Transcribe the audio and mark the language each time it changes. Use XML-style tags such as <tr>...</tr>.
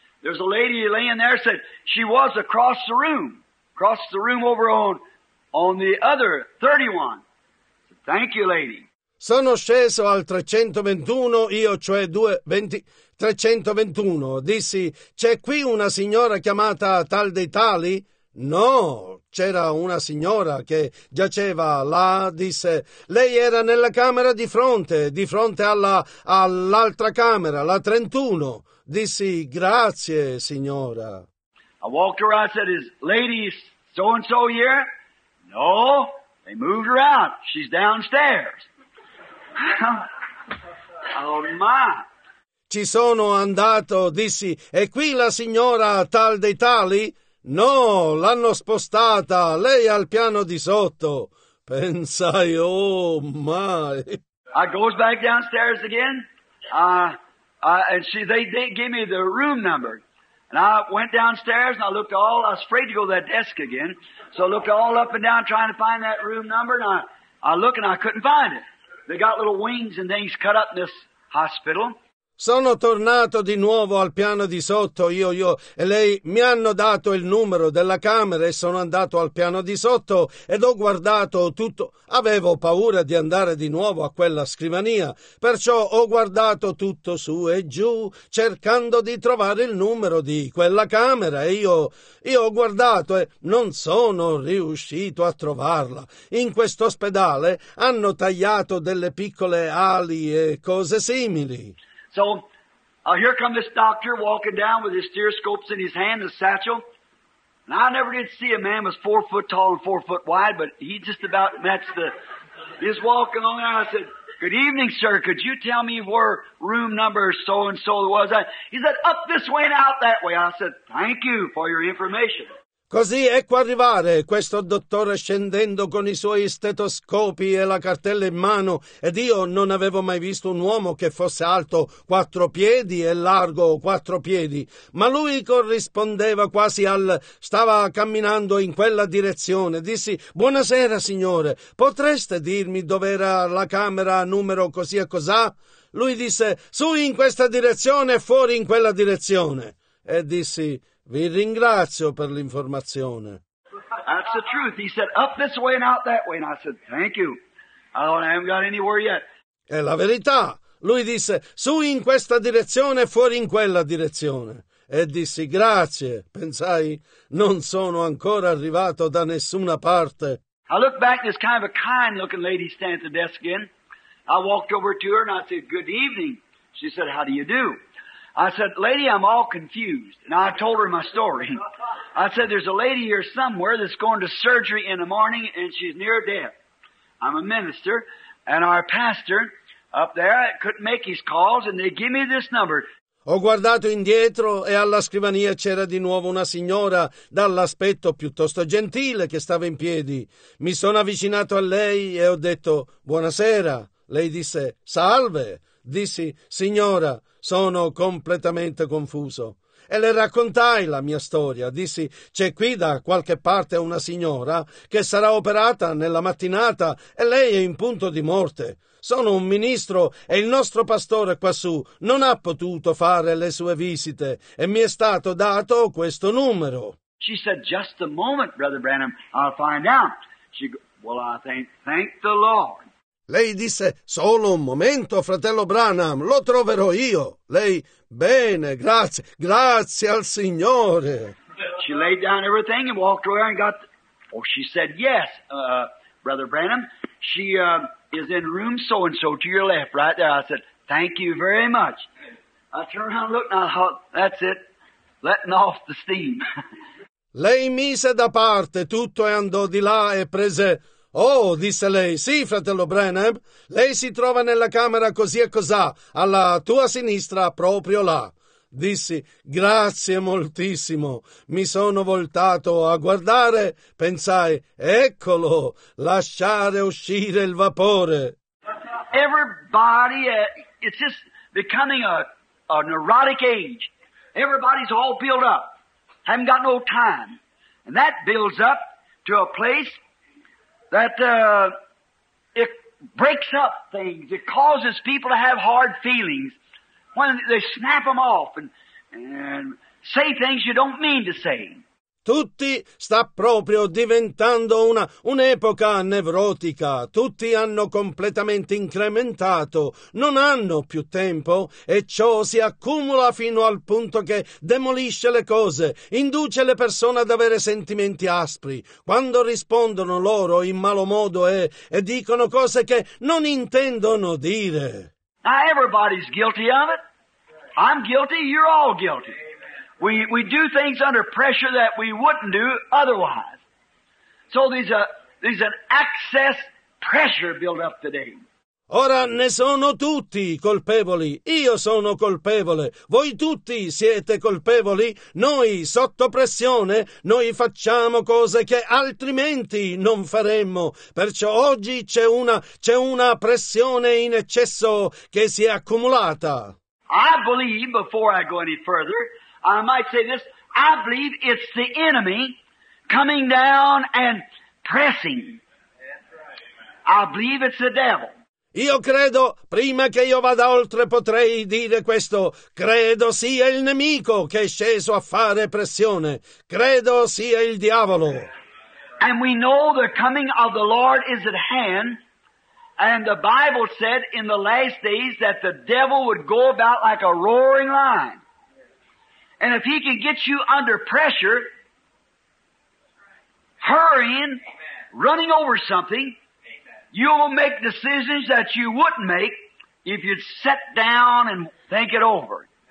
<en>There's a lady laying there, said, she was across the room over on the other, 31. Said, thank you, lady.</en> <it>Sono sceso al 321, io cioè 321, dissi, c'è qui una signora chiamata tal dei tali? No, c'era una signora che giaceva là, disse, lei era nella camera di fronte all'altra camera, la 31. Dissi, grazie, signora.</it> <en>I walked around, said, is lady so-and-so here? No, they moved her out. She's downstairs. Oh, my.</en> <it>Ci sono andato, dissi, è qui la signora tal dei tali? No, l'hanno spostata, lei al piano di sotto. Pensai,</it> <en>oh my. I goes back downstairs again, and she, they gave me the room number. And I went downstairs and I looked all, I was afraid to go to that desk again. So I looked all up and down trying to find that room number and I looked and I couldn't find it. They got little wings and things cut up in this hospital.</en> <it>Sono tornato di nuovo al piano di sotto, io e lei mi hanno dato il numero della camera e sono andato al piano di sotto ed ho guardato tutto. Avevo paura di andare di nuovo a quella scrivania, perciò ho guardato tutto su e giù cercando di trovare il numero di quella camera e io ho guardato e non sono riuscito a trovarla. In questo ospedale hanno tagliato delle piccole ali e cose simili.</it> <en>So, here come this doctor walking down with his stethoscopes in his hand, his satchel. And I never did see a man was 4 foot tall and 4 foot wide, but he just about matched the... He's walking along there, and I said, good evening, sir. Could you tell me where room number so-and-so was? He said, up this way and out that way. I said, thank you for your information.</en> <it>Così ecco arrivare questo dottore scendendo con i suoi stetoscopi e la cartella in mano ed io non avevo mai visto un uomo che fosse alto 4 piedi e largo 4 piedi, ma lui corrispondeva quasi al... stava camminando in quella direzione. Dissi, buonasera signore, potreste dirmi dov'era la camera numero così e cos'ha? Lui disse, su in questa direzione e fuori in quella direzione. E dissi, vi ringrazio per l'informazione.</it> <en>That's the truth. He said, up this way and out that way. And I said, thank you. I don't have got anywhere yet.</en> <it>È la verità. Lui disse, su in questa direzione e fuori in quella direzione. E dissi, grazie. Pensai, non sono ancora arrivato da nessuna parte.</it> <en>I looked back and this kind of a kind looking lady stand at the desk again. I walked over to her and I said, good evening. She said, how do you do? I said, lady, I'm all confused. And I told her my story. I said, there's a lady here somewhere that's going to surgery in the morning and she's near death. I'm a minister and our pastor up there couldn't make his calls and they give me this number.</en> <it>Ho guardato indietro e alla scrivania c'era di nuovo una signora dall'aspetto piuttosto gentile che stava in piedi. Mi sono avvicinato a lei e ho detto, buonasera. Lei disse, salve. Dissi, signora, sono completamente confuso. e le raccontai la mia storia. Dissi: c'è qui da qualche parte una signora che sarà operata nella mattinata e lei è in punto di morte. Sono un ministro e il nostro pastore quassù non ha potuto fare le sue visite e mi è stato dato questo numero.</it> <en>She said, just a moment, Brother Branham, I'll find out. She go, well, I think, thank the Lord.</en> <it>Lei disse, solo un momento, fratello Branham, lo troverò io. Lei, bene, grazie, grazie al Signore.</it> <en>She laid down everything and walked over and got, oh, she said, yes, Brother Branham, she is in room so-and-so to your left, right there. I said, thank you very much. I turned around and looked and I thought, that's it, letting off the steam.</en> <it>Lei mise da parte tutto e andò di là e prese... Oh, disse lei, sì, fratello Branham, lei si trova nella camera così e cosà, alla tua sinistra, proprio là. Dissi, grazie moltissimo. Mi sono voltato a guardare, pensai, eccolo, lasciare uscire il vapore.</it> <en>Everybody, it's just becoming a neurotic age. Everybody's all built up. Haven't got no time. And that builds up to a place that it breaks up things. It causes people to have hard feelings when they snap them off and say things you don't mean to say.</en> <it>Tutti sta proprio diventando un'epoca nevrotica. Tutti hanno completamente incrementato, non hanno più tempo e ciò si accumula fino al punto che demolisce le cose, induce le persone ad avere sentimenti aspri. Quando rispondono loro in malo modo e dicono cose che non intendono dire.</it> <en>Now everybody's guilty of it. I'm guilty, you're all guilty. We do things under pressure that we wouldn't do otherwise. So there's an excess pressure built up today.</en> <it>Ora ne sono tutti colpevoli. Io sono colpevole. Voi tutti siete colpevoli. Noi, sotto pressione, noi facciamo cose che altrimenti non faremmo. Perciò oggi c'è una pressione in eccesso che si è accumulata.</it> <en>I believe, before I go any further, I might say this, I believe it's the enemy coming down and pressing. I believe it's the devil.</en> <it>Io credo, prima che io vada oltre potrei dire questo, credo sia il nemico che è sceso a fare pressione. Credo sia il diavolo.</it> <en>And we know the coming of the Lord is at hand, and the Bible said in the last days that the devil would go about like a roaring lion. And if he can get you under pressure, hurrying, running over something, you'll make decisions that you wouldn't make if you'd sit down and think it over.</en>